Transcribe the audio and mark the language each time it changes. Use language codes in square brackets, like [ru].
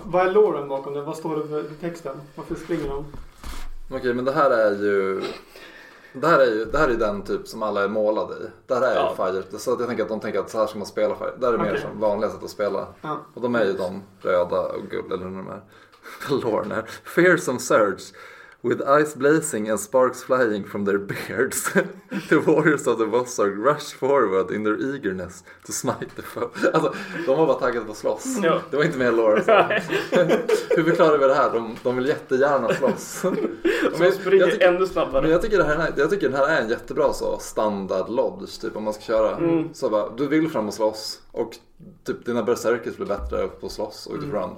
[sv] Vad är loren bakom det? Vad står det för texten? Varför springer de? Okej, men det här är ju... Det här är ju den typ som alla är målade i. Det här är ju Fire. Så jag tänker att de tänker att så här ska man spela Fire. Det är mer som vanliga sätt att spela. Ja. Och de är ju de röda och gula eller de här. Lorna. [en] Fearsome surge with ice blazing and sparks flying from their beards. The warriors of the Vossarg rush forward in their eagerness to smite the foe. [sv] Alltså, de var bara taggade på slåss. Ja. Det var inte mer lore. Hur förklarar vi det här? De vill jättegärna slåss. De springer ännu snabbare. Men jag tycker den här är en jättebra så standard lodge typ om man ska köra. Mm. Så bara, du vill fram och slåss och typ dina berserkers blir bättre på slåss och utifrån. Mm.